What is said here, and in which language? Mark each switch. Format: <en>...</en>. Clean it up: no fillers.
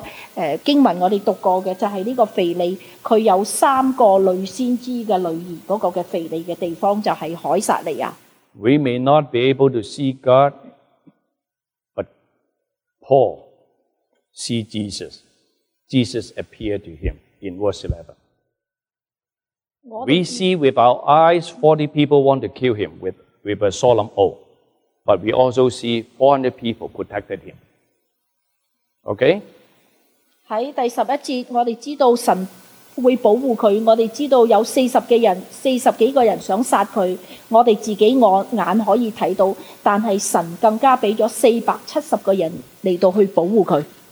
<zh>就是我们之前经文我们读过的，就是这个腓利， 他有三个女先知的女儿，那个腓利的地方就是凯撒利亚。</zh> <en>We may not be able to see God, but Paul sees Jesus. Jesus appeared to him in verse 11. We see with our eyes 40 people want to kill him with a solemn oath, but we also see 400 people protected him. Okay?</en> <zh>在第11节，我们知道神 会保护他，我们知道有40几个人想杀他，我们自己眼可以看到，但是神更加给了470个人来到去保护他。</zh>